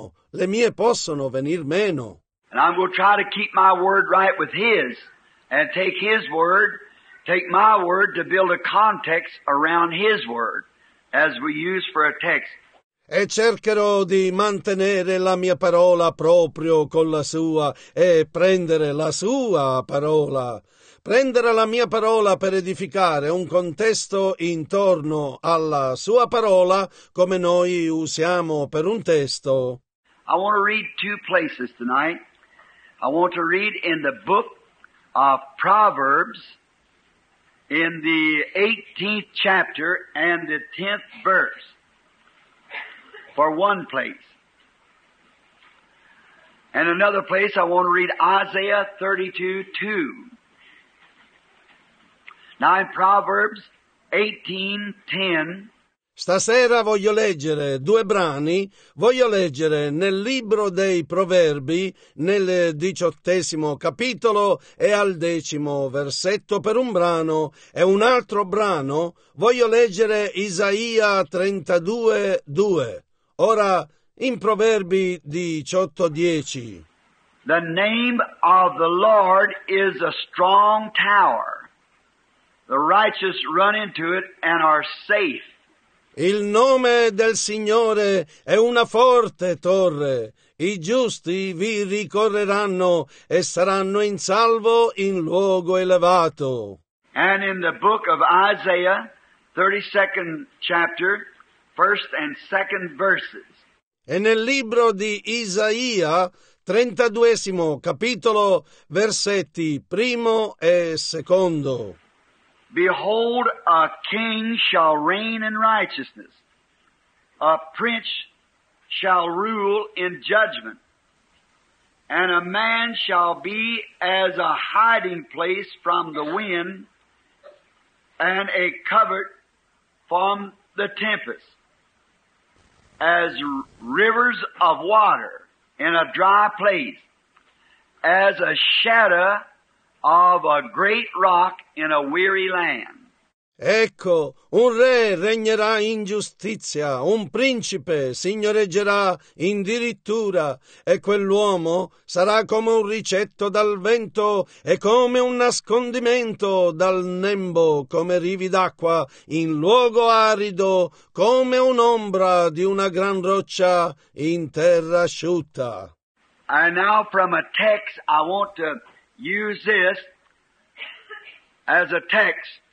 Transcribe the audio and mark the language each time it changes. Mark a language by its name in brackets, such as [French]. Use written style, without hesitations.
[Italian] Le mie possono venir meno. [English] And I'm going to try to keep my word right with his, and take his word, take my word to build a context around his word, as we use for a text. [Italian] E cercherò di mantenere la mia parola proprio con la sua, e prendere la sua parola. Prendere la mia parola per edificare un contesto intorno alla sua parola, come noi usiamo per un testo. [English] I want to read 2 places tonight. I want to read in the book of Proverbs, in the 18th chapter and the 10th verse, for 1 place. And another place I want to read Isaiah 32:2. Now in Proverbs 18:10. [Italian] Stasera voglio leggere 2 brani, voglio leggere nel libro dei Proverbi, nel 18° capitolo e al 10° versetto per un brano, e un altro brano, voglio leggere Isaia 32:2. Ora in Proverbi 18:10. [English] The name of the Lord is a strong tower. The righteous run into it and are safe. [Italian] Il nome del Signore è una forte torre. I giusti vi ricorreranno e saranno in salvo in luogo elevato. [English] And in the book of Isaiah, 32nd chapter, 1st and 2nd verses. [Italian] E nel libro di Isaia, 32° capitolo, versetti 1° e 2°. [English] Behold, a king shall reign in righteousness. A prince shall rule in judgment. And a man shall be as a hiding place from the wind and a covert from the tempest, as rivers of water in a dry place, as a shadow of a great rock in a weary land. [Italian] Ecco, un re regnerà in giustizia, un principe signoreggerà in dirittura, e quell'uomo sarà come un ricetto dal vento e come un nascondimento dal nembo, come rivi d'acqua in luogo arido, come un'ombra di una gran roccia in terra asciutta. [English] And now from a text I want to use this as a text.